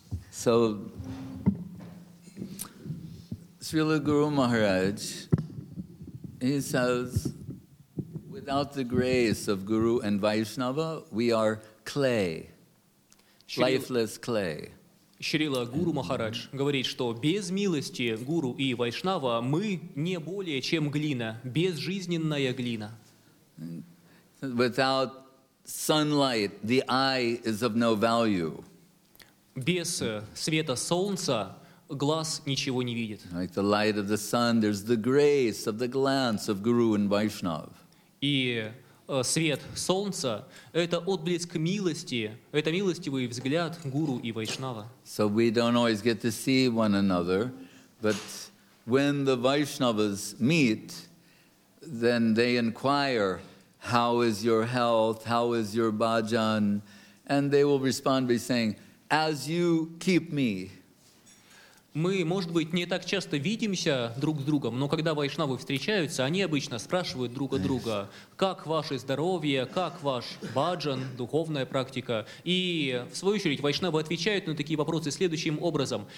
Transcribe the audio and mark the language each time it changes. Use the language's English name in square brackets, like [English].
[English] So, Srila Guru Maharaj, he says, without the grace of Guru and Vaishnava, we are clay, lifeless clay. [Russian] Шрила Гуру Махарадж говорит, что без милости Гуру и Вайшнава мы не более чем глина, безжизненная глина. [English] Without sunlight, the eye is of no value. [Russian] Без света солнца глаз ничего не видит. [English] Like the light of the sun, there's the grace of the glance of Guru and Vaishnava. [Russian] И свет солнца — это отблеск милости, это милостивый взгляд Гуру и Вайшнава. [English] So we don't always get to see one another, but when the Vaishnavas meet, then they inquire, how is your health, how is your bhajan, and they will respond by saying, as you keep me. [Russian] Мы, может быть, не так часто видимся друг с другом, но когда вайшнавы встречаются, они обычно спрашивают друг у друга, как ваше здоровье, как ваш баджан, духовная практика. И, в свою очередь, вайшнавы отвечают на такие вопросы следующим образом.